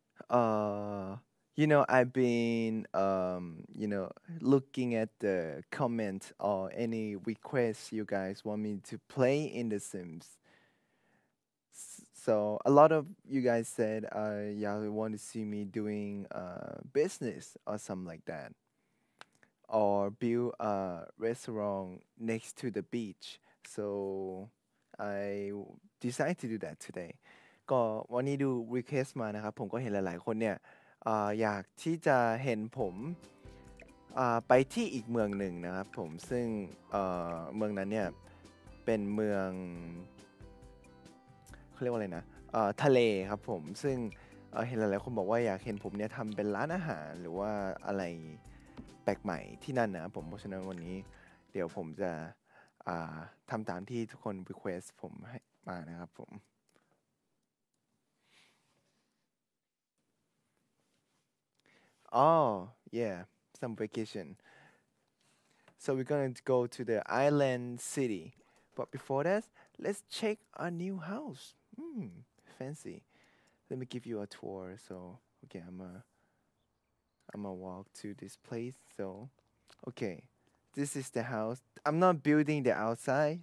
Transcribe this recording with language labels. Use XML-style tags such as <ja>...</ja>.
<en>You know, I've been, you know, looking at the comment or any requests you guys want me to play in The Sims. So a lot of you guys said, y'all want to see me doing business or something like that. Or build a restaurant next to the beach. So I decided to do that today.</en> <th>ก็วันนี้ดู request มานะครับผมก็เห็นหลายๆคนเนี่ยอยากที่จะเห็นผมไปที่อีกเมืองหนึ่งนะครับผมซึ่งเมืองนั้นเนี่ยเป็นเมือง เขาเรียกว่าอะไรนะทะเลครับผมซึ่งเห็นหลายๆคนบอกว่าอยากเห็นผมเนี่ยทำเป็นร้านอาหารหรือว่าอะไรแปลกใหม่ที่นั่นนะผมเพราะฉะนั้นวันนี้เดี๋ยวผมจะทำตามที่ทุกคน request ผมให้มานะครับผม</th> <en>Oh, yeah, some vacation. So we're going to go to the island city. But before that, let's check our new house. Hmm, fancy. Let me give you a tour. So, okay, I'm a walk to this place. So, okay, this is the house. I'm not building the outside.</en>